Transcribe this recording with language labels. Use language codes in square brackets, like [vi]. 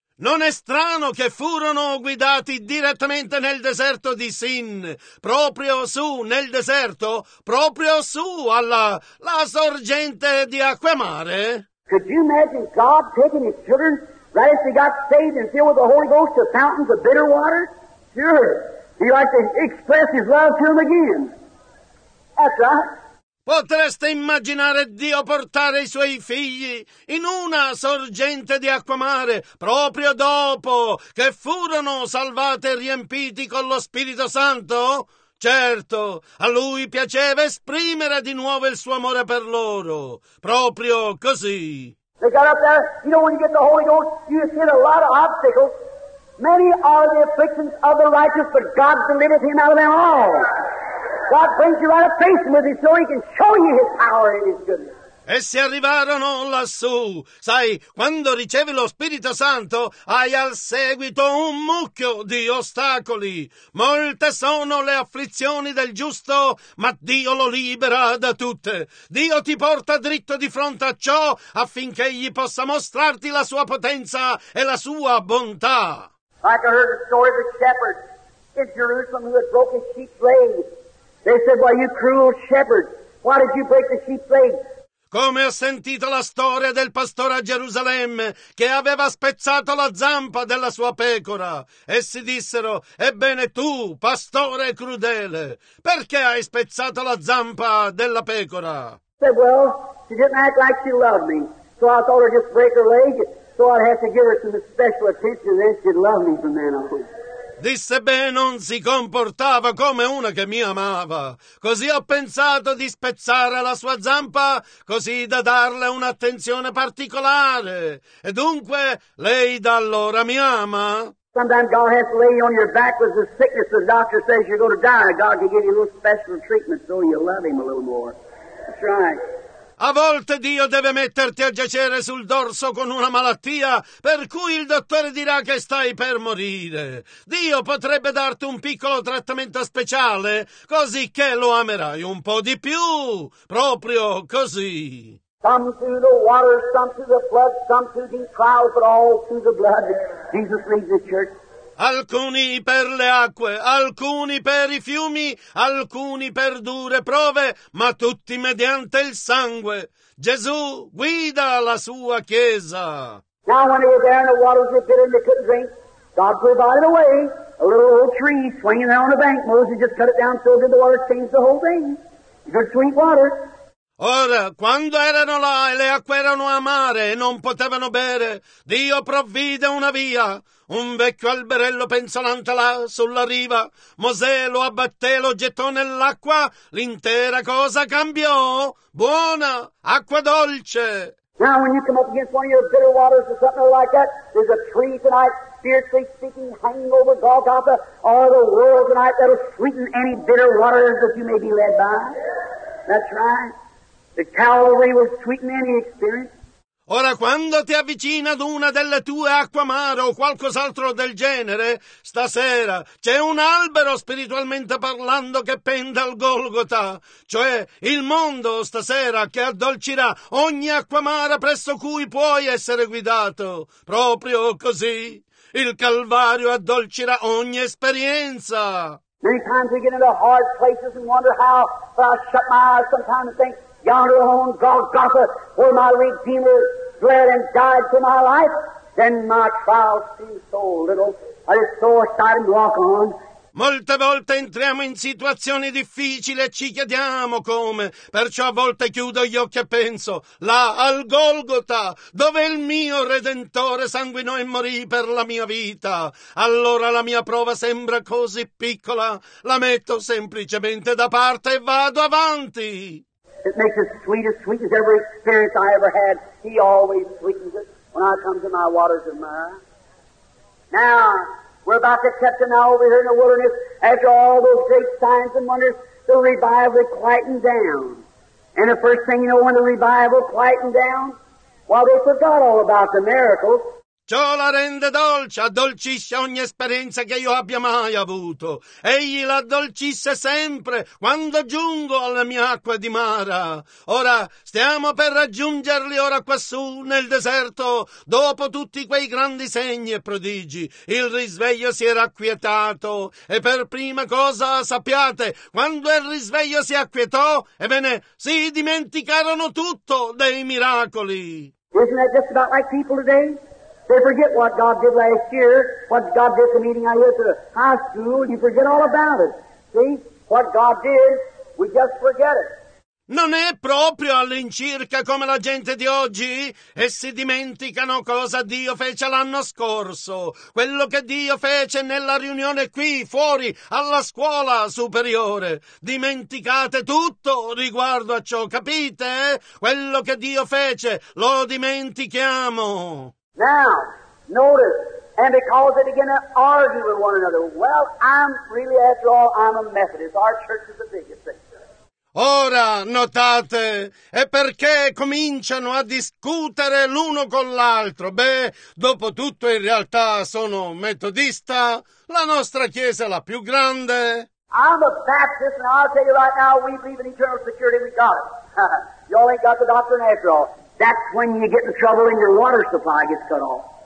[it] Non è strano che furono guidati direttamente nel deserto di Sin, proprio su nel deserto, proprio su alla la sorgente di acqua mare. [en] Could you imagine God taking his children right as they got saved and filled with the Holy Ghost to fountains of bitter water? Sure. He likes to express his love to them again. That's right. [it] Potreste immaginare Dio portare i suoi figli in una sorgente di acqua mare proprio dopo che furono salvati e riempiti con lo Spirito Santo? Certo, a lui piaceva esprimere di nuovo il suo amore per loro, proprio così. [en] They got up there, you know, when you get the Holy Ghost, you just hit a lot of obstacles. Many are the afflictions of the righteous, but God delivered him out of them all. God brings you right up facing with him so he can show you his power and his goodness. [it] Essi arrivarono lassù. Sai, quando ricevi lo Spirito Santo, hai al seguito un mucchio di ostacoli. Molte sono le afflizioni del giusto, ma Dio lo libera da tutte. Dio ti porta dritto di fronte a ciò affinché egli possa mostrarti la sua potenza e la sua bontà. [en] Like I heard the story of the shepherd in Jerusalem who had broken sheep's leg. They said, "Why, you cruel shepherd, why did you break the sheep's leg?" [it] Come ho sentito la storia del pastore a Gerusalemme che aveva spezzato la zampa della sua pecora. Essi dissero, ebbene tu, pastore crudele, perché hai spezzato la zampa della pecora? [en] Said, well, she didn't act like she loved me. So I thought I'd just break her leg, so I'd have to give her some special attention, then she'd love me from then on. [it] Disse beh, non si comportava come una che mi amava. Così ho pensato di spezzare la sua zampa, così da darle un'attenzione particolare. E dunque, lei da allora mi ama? [en] Sometimes God has to lay you on your back with the sickness. The doctor says you're going to die. God can give you a little special treatment so you love him a little more. That's right. [it] A volte Dio deve metterti a giacere sul dorso con una malattia per cui il dottore dirà che stai per morire. Dio potrebbe darti un piccolo trattamento speciale così che lo amerai un po' di più. Proprio così. [en] Some through the water, some through the flood, some through the trial, but all through the blood. Jesus leads the church. [it] Alcuni per le acque, alcuni per i fiumi, alcuni per dure prove, ma tutti mediante il sangue. Gesù guida la sua chiesa. [en] Now when they were there in the waters, they bit and they couldn't drink. God provided a way, a little old tree swinging there on the bank. Moses just cut it down so good the water changed the whole thing. Good sweet water. [it] Ora, quando erano là e le acque erano amare e non potevano bere, Dio provvide una via, un vecchio alberello penzolante là sulla riva. Mosè lo abbatté, lo gettò nell'acqua, l'intera cosa cambiò. Buona, acqua dolce. [en] Now when you come up against one of your bitter waters or something like that, there's a tree tonight, spiritually speaking, hanging over Golgotha, all the world tonight that'll sweeten any bitter waters that you may be led by. That's right. The Calvary will sweeten any experience. [it] Ora, quando ti avvicina ad una delle tue acque amare o qualcos'altro del genere, stasera c'è un albero spiritualmente parlando che pende al Golgota, cioè il mondo stasera che addolcirà ogni acqua amara presso cui puoi essere guidato. Proprio così il Calvario addolcirà ogni esperienza. [en] Many times we get into hard places and wonder how, but I shut my eyes sometimes and think, yonder on Golgotha, where my Redeemer bled and died for my life, then my trials seem so little, I just throw aside and walk on. [it] Molte volte entriamo in situazioni difficili e ci chiediamo come, perciò a volte chiudo gli occhi e penso, là al Golgota, dove il mio Redentore sanguinò e morì per la mia vita, allora la mia prova sembra così piccola, la metto semplicemente da parte e vado avanti. [en] It makes it sweet as sweet as every experience I ever had. He always sweetens it when I come to my waters of Mara. Now, we're about to capture now over here in the wilderness. After all those great signs and wonders, the revival had quietened down. And the first thing you know when the revival quietened down, well, they forgot all about the miracles. [it] Ciò la rende dolce, addolcisce ogni esperienza che io abbia mai avuto. Egli la addolcisce sempre quando giungo alla mia acqua di Mara. Ora stiamo per raggiungerli ora quassù nel deserto, dopo tutti quei grandi segni e prodigi. Il risveglio si era acquietato e per prima cosa sappiate, quando il risveglio si acquietò, ebbene, si dimenticarono tutto dei miracoli. [en] Isn't that just about like people today? They forget what God did last year, what God did at the meeting I had at the high school, and you forget all about it. See? What God did, we just forget it. [it] Non è proprio all'incirca come la gente di oggi? Essi dimenticano cosa Dio fece l'anno scorso, quello che Dio fece nella riunione qui, fuori, alla scuola superiore. Dimenticate tutto riguardo a ciò, capite? Quello che Dio fece, lo dimentichiamo. [en] Now, notice, and because they begin to argue with one another, well, I'm really, after all, I'm a Methodist. Our church is the biggest thing. [it] Ora, notate, e perché cominciano a discutere l'uno con l'altro? Beh, dopo tutto, in realtà, sono metodista. La nostra chiesa è la più grande. [en] I'm a Baptist, and I'll tell you right now, we believe in eternal security. We got it. Y'all ain't got the doctrine after all. That's when you get in trouble and your water supply gets cut off.